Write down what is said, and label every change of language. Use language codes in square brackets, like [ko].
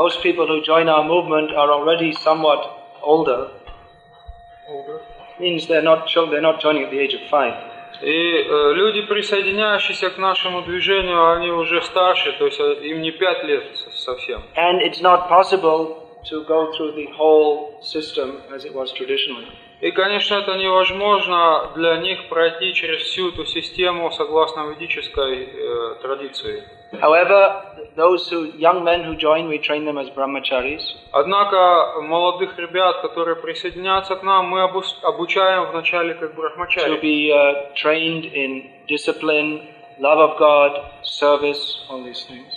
[en] Most people who join our movement are already somewhat older. Older means they're not children, they're not joining at the age of five. [ru] И люди, присоединяющиеся к нашему движению, они уже старше, то есть им не 5 лет совсем. [en] And it's not possible to go through the whole system as it was traditionally. [ru] И, конечно, это невозможно для них пройти через всю эту систему согласно ведической традиции. [en] However, those who, young men who join, we train them as brahmacharis. [ru] Однако молодых ребят, которые присоединятся к нам, мы обучаем вначале как брахмачари. [en] To be trained in discipline, love of God, service, all these things.